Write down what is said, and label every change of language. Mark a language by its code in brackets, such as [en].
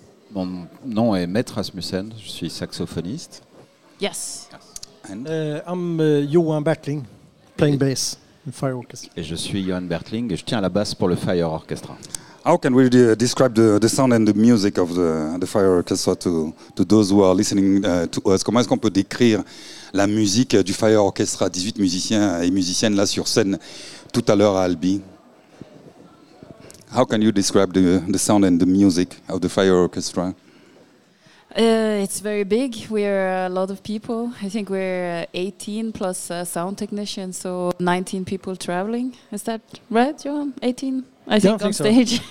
[fr] Mon nom est Mette Rasmussen, je suis saxophoniste. [en] Yes. And I'm Johan Bertling, playing bass in Fire Orchestra. [fr] Et je suis Johan Bertling et je tiens la basse pour le Fire Orchestra. [en] How can we describe the sound and the music of the Fire Orchestra to those who are listening to us? [fr] Comment est-ce qu'on peut décrire la musique du Fire Orchestra, 18 musiciens et musiciennes là sur scène tout à l'heure à Albi? [en] How can you describe the sound and the music of the Fire Orchestra? It's very big. We are a lot of people. I think we're 18 plus a sound technician, so 19 people traveling. Is that right, Johan? 18? I think on stage.